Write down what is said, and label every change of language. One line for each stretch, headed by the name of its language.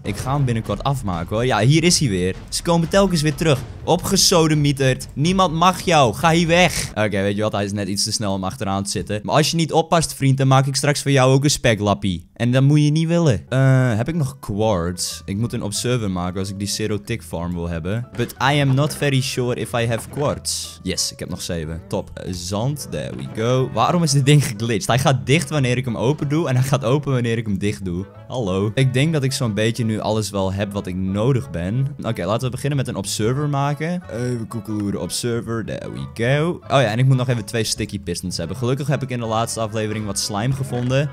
Dutch: Ik ga hem binnenkort afmaken, hoor. Ja, hier is hij weer. Ze komen telkens weer terug. Opgesodemieterd. Niemand mag jou. Ga hier weg. Oké, weet je wat? Hij is net iets te snel om achteraan te zitten. Maar als je niet oppast, vriend, dan maak ik straks voor jou ook een speklappie. En dat moet je niet willen. Heb ik nog quartz? Ik moet een observer maken als ik die zero tick farm wil hebben.
English: But I am not very sure if I have quartz.
Dutch: Yes, ik heb nog 7. Top. Zand.
English: There we go.
Dutch: Waarom is dit ding geglitcht? Hij gaat dicht wanneer ik hem open doe. En hij gaat open wanneer ik hem dicht doe. Hallo. Ik denk dat ik zo'n beetje nu alles wel heb wat ik nodig ben. Oké, laten we beginnen met een observer maken. Even koekeloeren. Observer.
English: There we go.
Dutch: Oh ja, en ik moet nog even 2 sticky pistons hebben. Gelukkig heb ik in de laatste aflevering wat slime gevonden.